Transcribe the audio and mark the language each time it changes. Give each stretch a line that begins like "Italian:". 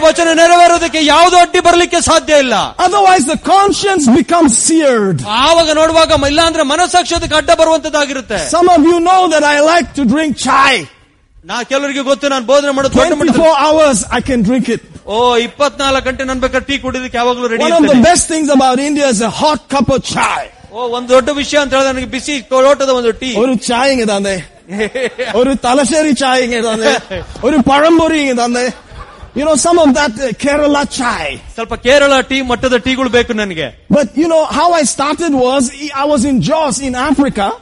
Kannada: ವಚನ ನೆರವೇರೋದಕ್ಕೆ ಯಾವುದೋ ಅಡ್ಡಿ ಬರಲಿಕ್ಕೆ ಸಾಧ್ಯ ಇಲ್ಲ.
English: Otherwise the conscience become seared.
Kannada: ಆವಾಗ ನೋಡುವಾಗ ಇಲ್ಲಾಂದ್ರೆ ಮನಸ್ಸಾಕ್ಷಿಯೋದಕ್ಕೆ ಅಡ್ಡ ಬರುವಂತದಾಗಿರುತ್ತೆ.
English: Some of you know that I like to drink chai.
Kannada: ನಾ ಕೆಲವರಿಗೆ ಗೊತ್ತು, ನಾನು ಬೋಧನೆ ಮಾಡೋದು
English: 24 hours I can drink it.
Kannada: ಓ 24 ಗಂಟೆ ನನ್ ಬೇಕಾದ್ರೆ ಟೀ ಕುಡಿದಕ್ಕೆ ಯಾವಾಗಲೂ ready.
English: One of the best things about India is a hot cup of chai.
Kannada: ಓ ಒಂದು ದೊಡ್ಡ ವಿಷಯ ಅಂತ ಹೇಳಿದ್ರೆ ನನಗೆ ಬಿಸಿ ಲೋಟದ ಒಂದು ಟೀ. ಅವರು ಚಾಯ್ ಹಿಂಗೆ ತಂದೆ, ಅವರು ತಲಶೇರಿ ಚಾಯ್ ಹಿಂಗೆ ತಂದೆ, ಅವರು ಪಳಂಬುರಿ ಹಿಂಗೆ ತಂದೆ.
English: You know, some of that Kerala chai.
Kannada: ಸ್ವಲ್ಪ ಕೇರಳ ಟೀ ಮಟ್ಟದ ಟೀಗಳು ಬೇಕು ನನಗೆ.
English: But you know how I started was, I was in Jos in Africa.